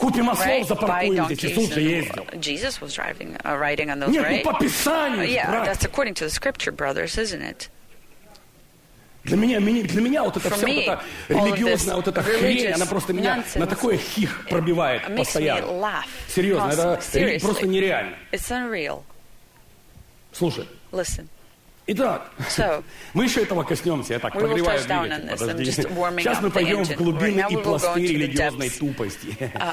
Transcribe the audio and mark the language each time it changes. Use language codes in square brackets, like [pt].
[ru] Купим ослов, запаркуем здесь, тут же ездил. [en] Jesus was driving, riding on those, [ru] нет, [en] right? [ru] Ну, по Писанию, [en] yeah, [ru] брат. [en] That's according to the scripture, brothers, isn't it? [ru] Для меня вот эта вся вот эта религиозная вот эта хрень, она просто меня на такое хих пробивает постоянно. Серьезно, это просто нереально. [en] It's unreal. [ru] Слушай. [en] Listen. [ru] Итак, [en] so, [ru] мы еще этого коснемся, я так прогреваю двигатель, сейчас мы пойдем в глубины и пласты религиозной тупости.